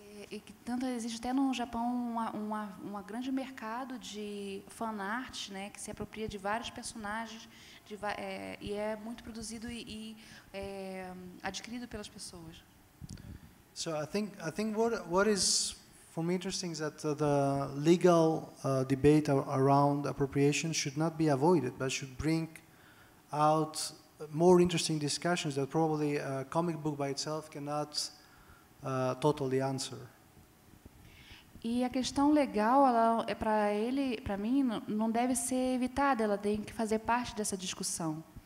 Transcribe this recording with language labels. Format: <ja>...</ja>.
<pt>E que tanto existe até no Japão uma grande mercado de fan art, né, que se apropria de vários personagens e é muito produzido e adquirido pelas pessoas.</pt> <en>So I think what is for me interesting is that the legal debate around appropriation should not be avoided, but should bring out more interesting discussions that probably a comic book by itself cannot totally answer.</en> <pt>E a questão legal, ela é para ele, para mim, não deve ser evitada. Ela tem que fazer parte dessa discussão.</pt>